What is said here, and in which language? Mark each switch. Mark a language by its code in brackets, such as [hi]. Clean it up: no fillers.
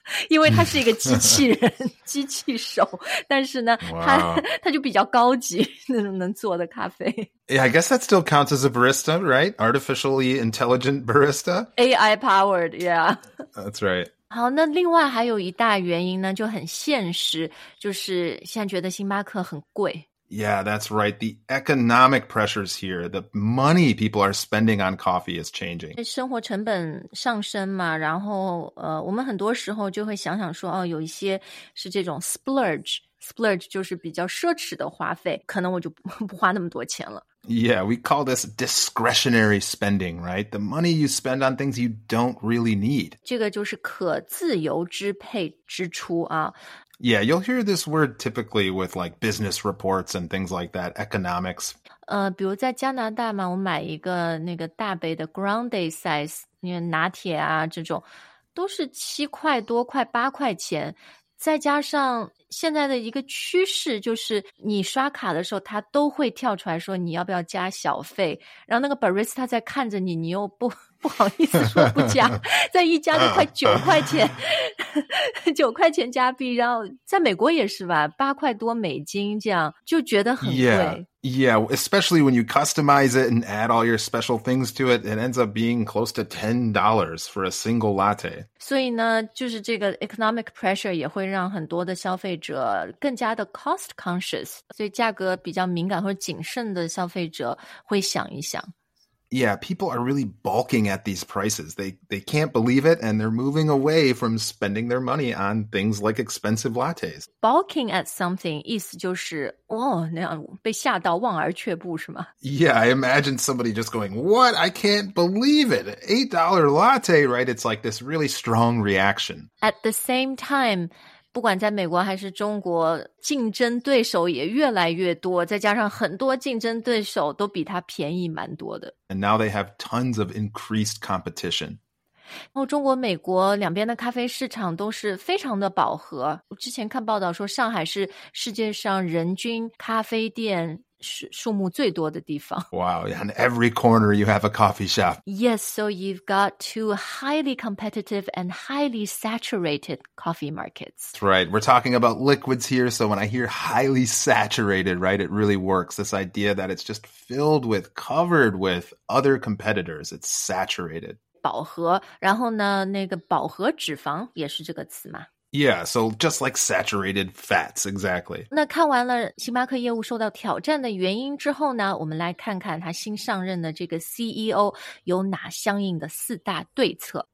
[zh] 因为他是一个机器人机器手但是呢、 [en] wow. [zh] 他就比较高级那种能做的咖啡。 [en] Yeah, I guess that still counts as a barista, right? Artificially intelligent barista? AI powered, yeah. That's right. [zh] 好那另外还有一大原因呢就很现实就是现在觉得星巴克很贵。 [en] Yeah, that's right. The economic pressures here, the money people are spending on coffee is changing. [zh] 生活成本上升嘛，然后我们很多时候就会想想说，哦，有一些是这种 splurge 就是比较奢侈的花费，可能我就不花那么多钱了。 [en] Yeah, we call this discretionary spending, right? The money you spend on things you don't really need. [zh] 这个就是可自由支配支出啊。 [en] Yeah, you'll hear this word typically with like business reports and things like that, economics. [zh] 比如在加拿大嘛，我买一个那个大杯的 grande size, 那个拿铁啊这种，都是七块多块八块钱。再加上现在的一个趋势，就是你刷卡的时候，他都会跳出来说你要不要加小费。然后那个 barista 在看着你，你又不不好意思说不加，在一加就快九块钱，九块钱加币，然后在美国也是吧，八块多美金这样，就觉得很贵。 [en] Yeah. Yeah, especially when you customize it and add all your special things to it, it ends up being close to $10 for a single latte. [zh] 所以呢，就是这个 [en] economic pressure [zh] 也会让很多的消费者更加的 [en] cost conscious， [zh] 所以价格比较敏感或者谨慎的消费者会想一想。 [en] Yeah, people are really balking at these prices. They can't believe it, and they're moving away from spending their money on things like expensive lattes. Balking at something [zh] 意思就是哦，那样被吓到望而却步是吗？ [en] Yeah, I imagine somebody just going, "What? I can't believe it! $8 latte, right?" It's like this really strong reaction. At the same time. [zh] 不管在美国还是中国，竞争对手也越来越多，再加上很多竞争对手都比它便宜蛮多的。 [en] And now they have tons of increased competition. [zh] 然后中国、美国两边的咖啡市场都是非常的饱和。我之前看报道说，上海是世界上人均咖啡店数目最多的地方。 [en] Wow, on every corner you have a coffee shop. Yes, so you've got two highly competitive and highly saturated coffee markets. That's right. We're talking about liquids here, so when I hear highly saturated, right, it really works. This idea that it's just filled with, covered with other competitors, it's saturated. [zh] 饱和，然后呢，那个饱和脂肪也是这个词吗？ [en] Yeah, so just like saturated fats, exactly. [zh] 那看完了星巴克业务受到挑战的原因之后呢，我们来看看他新上任的这个 CEO 有哪相应的四大对策。